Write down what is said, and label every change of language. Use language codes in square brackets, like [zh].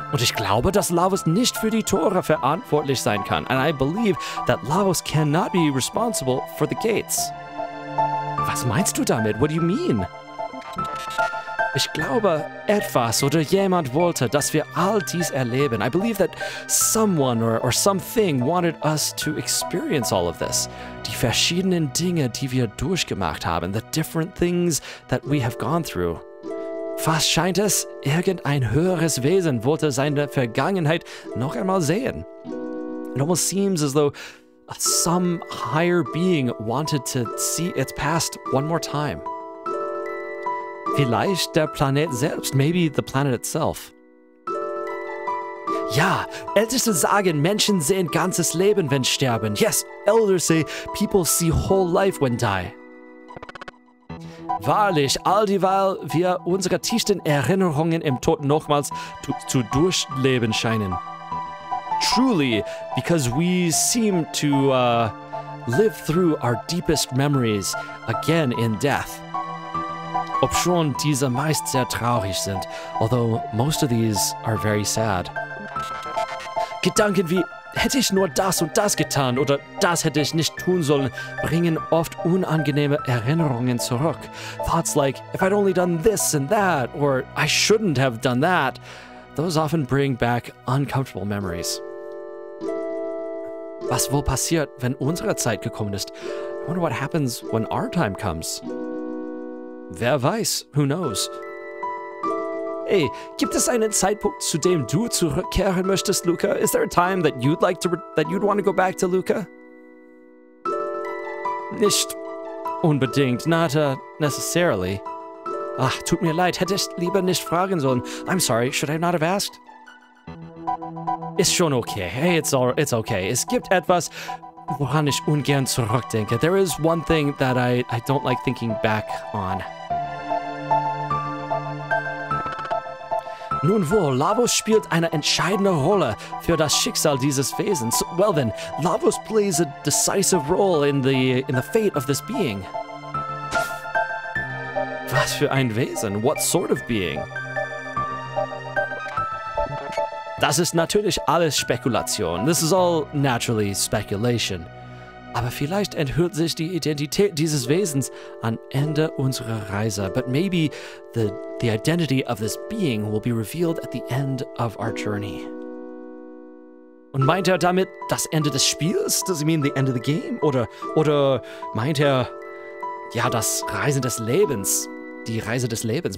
[de] Und ich glaube, dass Lavos nicht für die Tore verantwortlich sein kann. [en] And I believe that Lavos cannot be responsible for the gates. [de] Was meinst du damit? [en] What do you mean? [de] Ich glaube, etwas oder jemand wollte, dass wir all dies erleben. [en] I believe that someone or something wanted us to experience all of this. [de] Die verschiedenen Dinge, die wir durchgemacht haben, [en] the different things that we have gone through. [de] Fast scheint es, irgendein höheres Wesen wollte seine Vergangenheit noch einmal sehen. [en] It almost seems as though some higher being wanted to see its past one more time. [de] Vielleicht der Planet selbst, [en] maybe the planet itself. [de] Ja, Älteste sagen, Menschen sehen ganzes Leben, wenn sterben. [en] Yes, elders say, people see whole life when die. [de] Wahrlich, all dieweil wir unsere tiefsten Erinnerungen im Tod nochmals zu durchleben scheinen. [en] Truly, because we seem to live through our deepest memories again in death. [de] Ob schon diese meist sehr traurig sind, [en] although most of these are very sad. [de] Gedanken wie, hätte ich nur das und das getan, oder das hätte ich nicht tun sollen, bringen oft unangenehme Erinnerungen zurück. [en] Thoughts like, if I'd only done this and that, or I shouldn't have done that, those often bring back uncomfortable memories. [de] Was wohl passiert, wenn unsere Zeit gekommen ist? [en] I wonder what happens when our time comes. [de] Wer weiß, [en] who knows? [de] Hey, gibt es einen Zeitpunkt, zu dem du zurückkehren möchtest, Luca? [en] Is there a time that you'd like to want to go back to Luca? [de] Nicht unbedingt, [en] not necessarily. [de] Ach, tut mir leid, hätte ich lieber nicht fragen sollen. [en] I'm sorry, should I not have asked? [de] Ist schon okay. [en] Hey, it's okay. [de] Es gibt etwas, woran ich ungern zurückdenke. [en] There is one thing that I don't like thinking back on. [de] Nun wohl, Lavos spielt eine entscheidende Rolle für das Schicksal dieses Wesens. [en] Well then, Lavos plays a decisive role in the fate of this being. [de] Was für ein Wesen? [en] What sort of being? [de] Das ist natürlich alles Spekulation. [en] This is all naturally speculation. [de] Aber vielleicht enthüllt sich die Identität dieses Wesens am Ende unserer Reise. [en] But maybe the identity of this being will be revealed at the end of our journey. [de] Und meint damit das Ende des Spiels? [en] Does he mean the end of the game? [de] Oder meint ja, das Reisen des Lebens? Die Reise des Lebens.